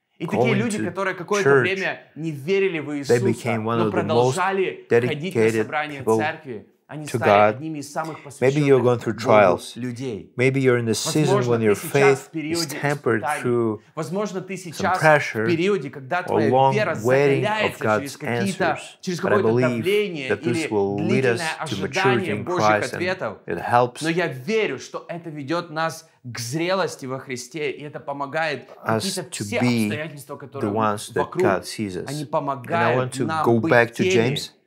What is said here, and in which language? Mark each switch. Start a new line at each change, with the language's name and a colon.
Russian: и такие люди, которые какое-то время не верили в Иисуса, но продолжали ходить на собрания церкви,
English: to God. Maybe you're going through trials. Maybe you're in a season when your faith is tempered through some pressure or long waiting of God's answers. But I believe that this will lead us to maturity in Christ and it helps.
Russian: Но я верю, что это ведет нас к зрелости во Христе, и это помогает какие-то все обстоятельства, которые вокруг, они помогают нам быть теми,